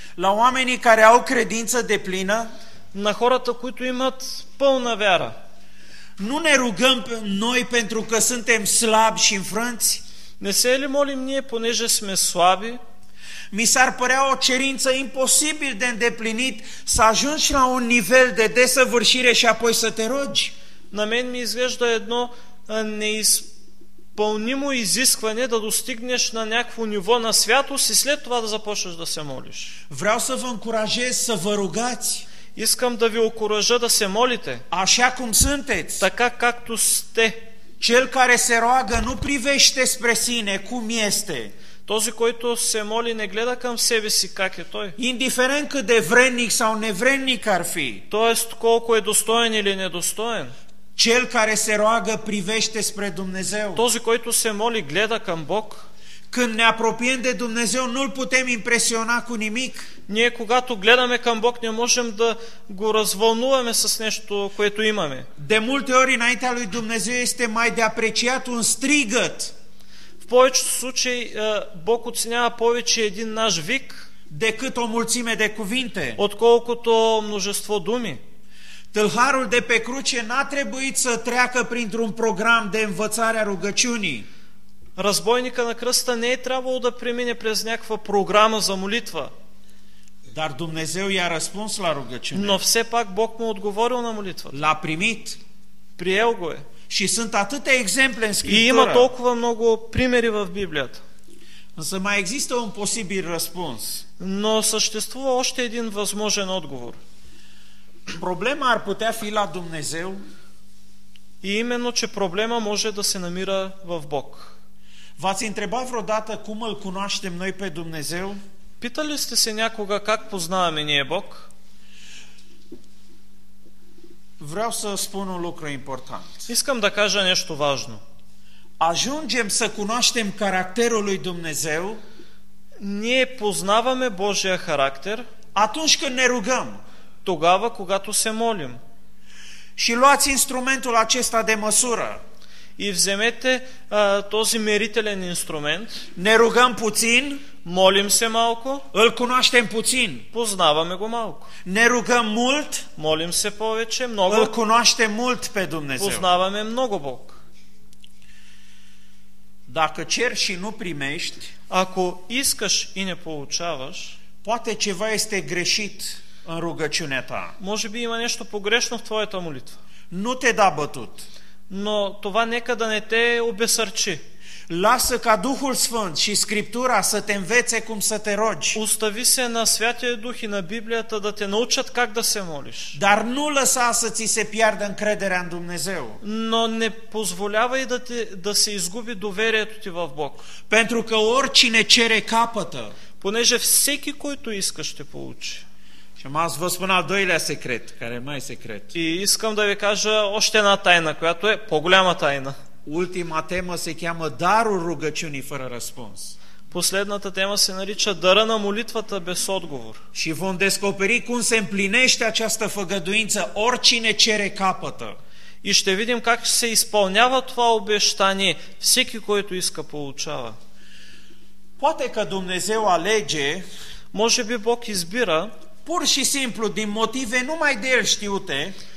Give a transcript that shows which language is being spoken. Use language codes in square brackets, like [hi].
[ro] La oamenii care au credință deplină, [bg] на хората, които имат пълна вяра. [ro] Nu ne rugăm noi pentru că suntem slabi și înfrânți? [bg] Не се ли молим ние, понеже сме слаби? [ro] Mi s-ar părea o cerință imposibil de îndeplinit să ajungi la un nivel de desăvârșire și apoi să te rogi. [bg] На мен ми изглежда едно неизпълнимо изискване да достигнеш на някакво ниво на святост и след това да започнеш да се молиш. [ro] Vreau să vă încurajez să vă rugați. [bg] Искам да ви окуража да се молите. [ro] Așa cum sunteți. [bg] Така както сте. [ro] Cel care se roagă nu privește spre sine cum este. [bg] Този, който се моли, не гледа към себе си как е той. [ro] Indiferent cât de vrednic sau nevrednic ar fi. [bg] Тоест, колко е достоен или недостоен. [ro] Cel care se roagă privește spre Dumnezeu. [bg] Този, който се моли, гледа към Бог. [ro] Când ne apropiem de Dumnezeu, nu-l putem impresiona cu nimic. [bg] Ние, когато гледаме към Бог, не можем да го развълнуваме с нещо, което имаме. [ro] De multe ori înaintea lui Dumnezeu este mai de apreciat un strigăt. [bg] В повечето случаи Бог оценява повече един наш вик, [ro] decât o mulțime de cuvinte, [bg] отколкото множество думи. Тълхарul [ro] de pe cruce n-a trebuit să treacă printr-un program de învățare a rugăciunii. [bg] Разбойника на кръста не е трябвало да премине през някаква програма за молитва. [ro] Dar Dumnezeu i-a răspuns la rugăciune. [bg] Но все пак Бог му отговорил на молитвата. [ro] L-a primit. [bg] Приел го е. [ro] Și sunt atâtea exemple în Scriptură. [bg] И има толкова много примери в Библията. [ro] Însă mai există un posibil răspuns. [bg] Но съществува още един възможен отговор. [ro] Problema ar putea fi la Dumnezeu. [bg] И именно, че проблема може да се намира в Бог. [ro] V-ați întrebat vreodată cum îl cunoaștem noi pe Dumnezeu? [bg] Питали сте се някога как познаваме ние Бог? [ro] Vreau să spun un lucru important. [bg] Искам да кажа нещо важно. [ro] Ajungem să cunoaștem caracterul lui Dumnezeu. [bg] Ние познаваме Божия характер. [ro] Atunci când ne rugăm. [bg] Тогава, когато се молим. [ro] Și luați instrumentul acesta de măsură. [bg] И вземете този мерителен инструмент. [ro] Не ругам пуцин. [bg] Молим се малко. [ro] Îl cunoaștem puțin. [bg] Познаваме го малко. [ro] Не ругам мулт. [bg] Молим се повече, много. [ro] Îl cunoaștem mult pe Dumnezeu. [bg] Познаваме много Бог. [ro] Dacă ceri și nu primești, [bg] ако искаш и не получаваш, [ro] poate ceva este greșit în rugăciunea ta. [bg] Може би има нещо погрешно в твоята молитва. [ro] Nu te da bătut. [bg] Но това нека да не те обесърчи. [ro] Lasă ca Duhul Sfânt și Scriptura să te învețe cum să te rogi. [bg] Остави се на Святия Дух и на Библията да те научат как да се молиш. [ro] Dar nu lăsa să ți se piardă încrederea în Dumnezeu. [bg] Но не позволявай да се изгуби доверието ти в Бог. [ro] Pentru că oricine cere capătă. [bg] Понеже всеки, който иска, ще получи. [ro] Și m-ați vă spun al doilea secret, care e mai secret. [bg] И искам да ви кажа още една тайна, която е по-голяма тайна. [ro] Ultima temă se cheamă darul rugăciunii fără răspuns. [bg] Последната тема се нарича дъра на молитвата без отговор. [ro] Și vom descoperi cum se împlinește această făgăduință, oricine cere capătă. [bg] И ще видим как се изпълнява това обещание, всеки, който иска, получава. [ro] Poate că Dumnezeu alege, [bg] може би Бог избира, [ro] pur și simplu, din motive numai de El știute,